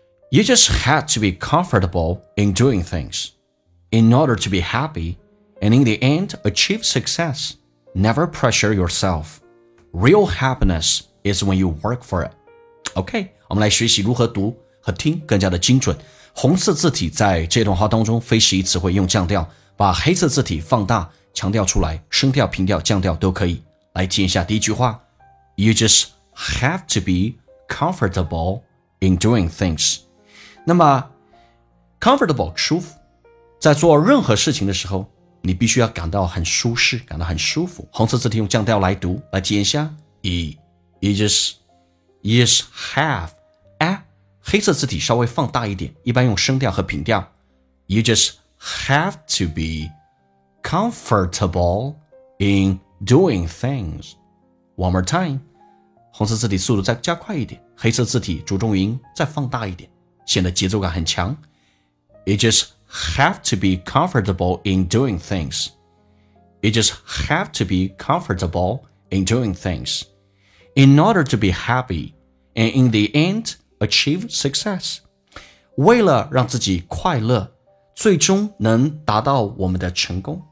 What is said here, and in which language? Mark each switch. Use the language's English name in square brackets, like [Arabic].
[English] You just had to be comfortable in doing things in order to be happy and in the end achieve success. Never pressure yourself. Real happiness is when you work for it. [Chinese] OK， 我们来学习如何读和听更加的精准。红色字体在这段话当中非实义词汇用降调，把黑色字体放大强调出来，升调平调降调都可以。来听一下第一句话， [English] You just have to be comfortable in doing things。 [Chinese] 那么 comfortable 舒服，在做任何事情的时候你必须要感到很舒适，感到很舒服。红色字体用降调来读，来听一下， [English] You just have [Chinese] 黑色字体稍微放大一点，一般用声调和平调。 [English] You just have to be comfortable in doing things. One more time. [Chinese] 红色字体速度再加快一点，黑色字体着重音再放大一点，显得节奏感很强。 [English] You just have to be comfortable in doing things. You just have to be comfortable in doing things. In order to be happy, and in the end,Achieve success. [Chinese] 为了让自己快乐，最终能达到我们的成功。